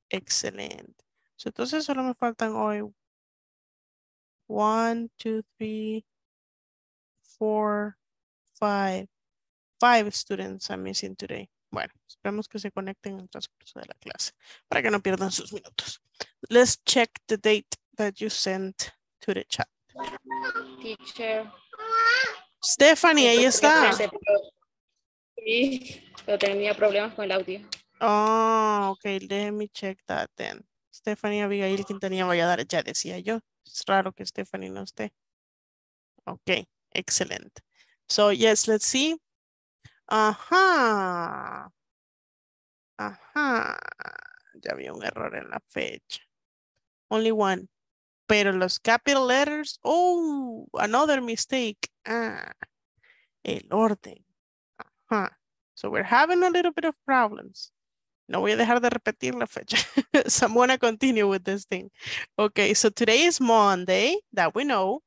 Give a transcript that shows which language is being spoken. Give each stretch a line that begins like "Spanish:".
Spanish: Excelente. So, entonces solo me faltan hoy 1, 2, 3, 4, 5
English: students I'm missing today.
Spanish: Bueno, esperamos que se conecten en el transcurso de la clase para que no pierdan sus minutos.
English: Let's check the date that you sent to the chat. Teacher.
Spanish: Stephanie, ahí está. Sí, pero tenía problemas con el audio.
English: Oh, okay, let me check that then. Stephanie Abigail Quintanilla Valladares,
Spanish: ya decía yo. Es raro que Stephanie no esté.
English: Okay, excellent. So, yes, let's see. Ajá. Ajá.
Spanish: Ya había un error en la fecha.
English: Only one.
Spanish: Pero los
English: capital letters, oh, another mistake.
Spanish: Ah, el orden. Ajá.
English: So, we're having a little bit of problems.
Spanish: No voy a dejar de repetir la fecha.
English: So I'm gonna continue with this thing. Okay, so today is Monday, that we know.